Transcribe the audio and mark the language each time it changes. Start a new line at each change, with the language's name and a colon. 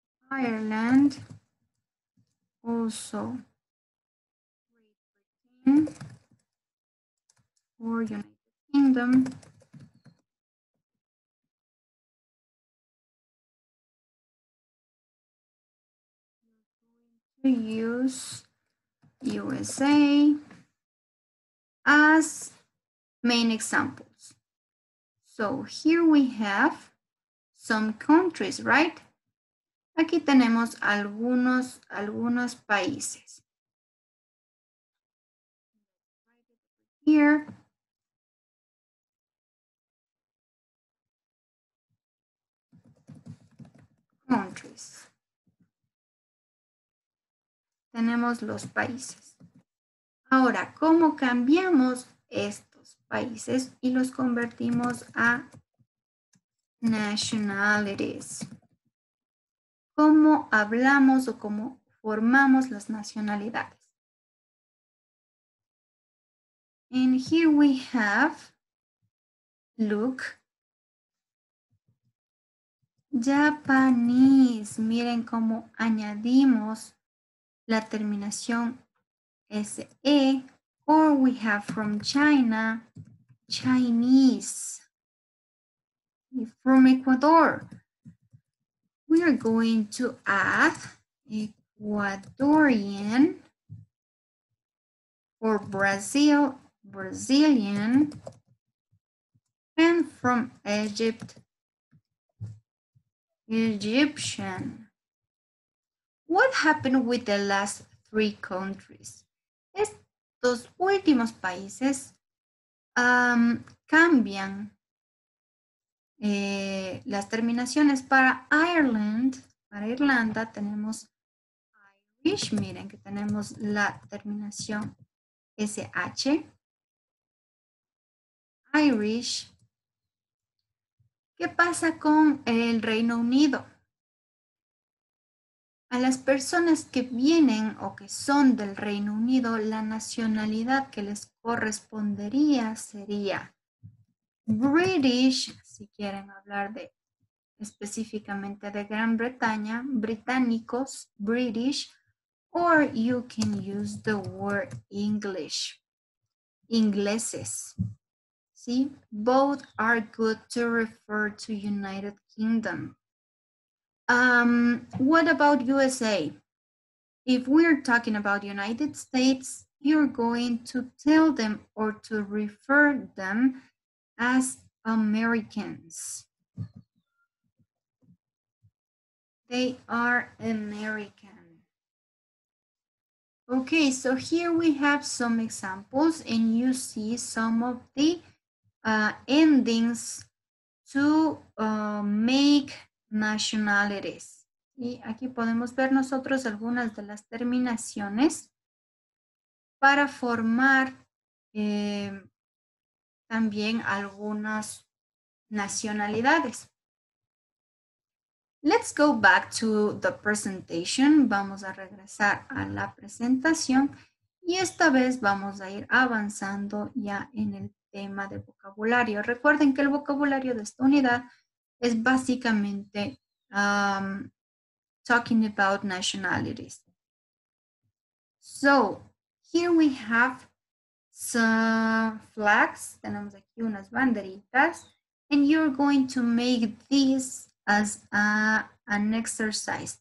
English: Ireland, also Great Britain, or United Kingdom, use USA as main examples. So here we have some countries, right?
Spanish: Aquí tenemos algunos países.
English: Here. Countries.
Spanish: Tenemos los países. Ahora, ¿cómo cambiamos estos países y los convertimos a nationalities? ¿Cómo hablamos o cómo formamos las nacionalidades?
English: And here we have, look, Japanese.
Spanish: Miren cómo añadimos la terminación SE.
English: Or we have from China, Chinese. From Ecuador. We are going to add Ecuadorian, or Brazil, Brazilian, and from Egypt, Egyptian. What happened with the last three countries?
Spanish: Estos últimos países cambian las terminaciones. Para Ireland, para Irlanda, tenemos Irish. Miren que tenemos la terminación SH. Irish. ¿Qué pasa con el Reino Unido? A las personas que vienen o que son del Reino Unido, la nacionalidad que les correspondería sería British. Si quieren hablar de específicamente de Gran Bretaña, británicos, British,
English: or you can use the word English,
Spanish: ingleses.
English: See, both are good to refer to United Kingdom. What about USA? If we're talking about United States, you're going to tell them or to refer them as Americans. They are American. Okay, so here we have some examples and you see some of the endings to make nationalities.
Spanish: Y aquí podemos ver nosotros algunas de las terminaciones para formar también algunas nacionalidades.
English: Let's go back to the presentation.
Spanish: Vamos a regresar a la presentación y esta vez vamos a ir avanzando ya en el tema de vocabulario. Recuerden que el vocabulario de esta unidad es básicamente
English: talking about nationalities. So, here we have some flags.
Spanish: Tenemos aquí unas banderitas.
English: And you're going to make this as an exercise.